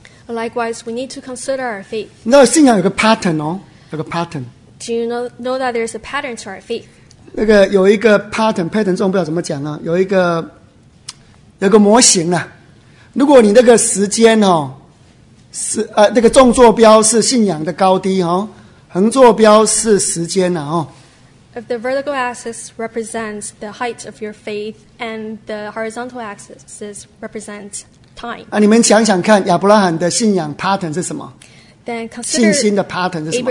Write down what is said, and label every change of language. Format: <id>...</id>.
<en>Likewise, we need to consider our faith.</en> <zh>你知道信仰有个 pattern 哦，有个 pattern.</zh> <en>Do you know that there's a pattern to our faith?</en> <zh>那个有一个 pattern 中不知道怎么讲呢、啊？有个模型啊，如果你那个时间哦，是那个纵坐标是信仰的高低哦，横坐标是时间啊哦。</zh> <en>If the vertical axis represents the height of your faith and the horizontal axis represents time.</en> <zh>啊，你们想想看，亚伯拉罕的信仰 pattern 是什么？</zh> <en>Then consider</en> <zh>信心的 pattern 是什么？</zh>